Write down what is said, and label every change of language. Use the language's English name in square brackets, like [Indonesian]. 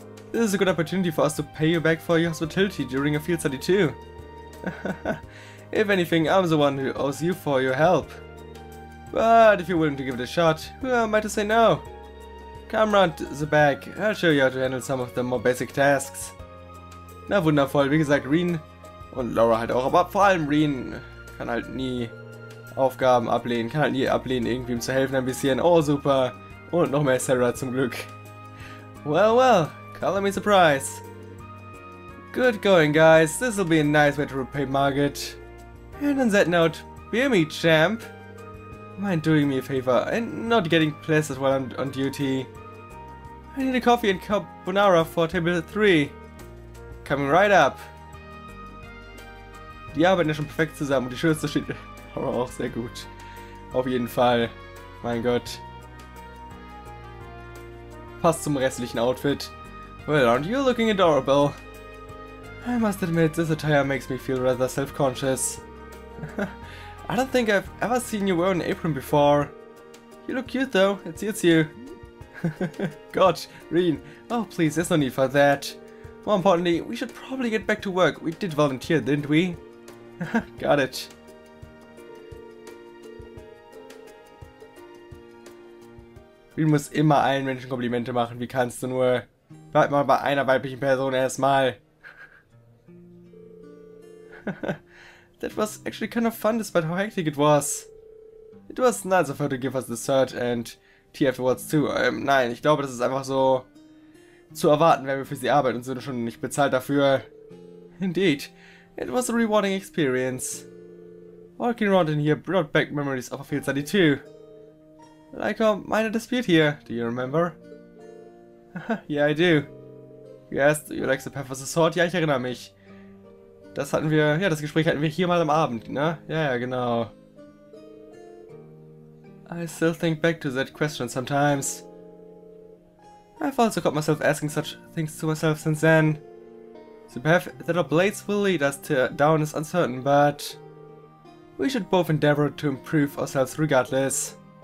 [English] This is a good opportunity for us to pay you back for your hospitality during a field study too. If anything, I'm the one who owes you for your help. But if you're willing to give it a shot, who am I to say no? Come round the back, I'll show you how to handle some of the more basic tasks. [German] Na wundervoll, wie gesagt, Rin und Laura halt auch, aber vor allem Rin kann halt nie Aufgaben ablehnen, kann halt nie ablehnen, irgendwie ihm zu helfen ein bisschen. Oh super, und noch mehr Sarah zum Glück. [English] Well, well, call me surprise. Good going, guys, this'll be a nice way to repay Margaret. And on that note, beer me, champ. Mind doing me a favor and not getting plastered while I'm on duty. I need a coffee and carbonara for table 3. Coming right up. [German] Die arbeiten ja schon perfekt zusammen und die Schürze steht aber auch sehr gut. Auf jeden Fall. Mein Gott. Passt zum restlichen Outfit. [English] Well, aren't you looking adorable? I must admit, this attire makes me feel rather self-conscious. I don't think I've ever seen you wear an apron before. You look cute though, it suits you. God, Rin. Oh please, there's no need for that. More importantly, we should probably get back to work. We did volunteer, didn't we? Got it. [German] Rin muss immer allen Menschen Komplimente machen, wie kannst du nur? Bleib mal bei einer weiblichen Person erstmal. [English] That was actually kind of fun despite how hectic it was. It was nice of her to give us dessert and tea afterwards too. [German] Nein, ich glaube, das ist einfach so zu erwarten, wenn wir für sie arbeiten und sind schon nicht bezahlt dafür. [English] Indeed, it was a rewarding experience. Walking around in here brought back memories of a field study too. Like our minor dispute here, do you remember? Yeah, I do. You asked, you like the path of the sword? [German] Ja, ich erinnere mich. Das hatten wir, ja, das Gespräch hatten wir hier mal am Abend, ne? Ja, ja, genau. [English] I still think back to that question sometimes. I've also caught myself asking such things to myself since then. The path that our blades will lead us to down is uncertain, but we should both endeavor to improve ourselves regardless.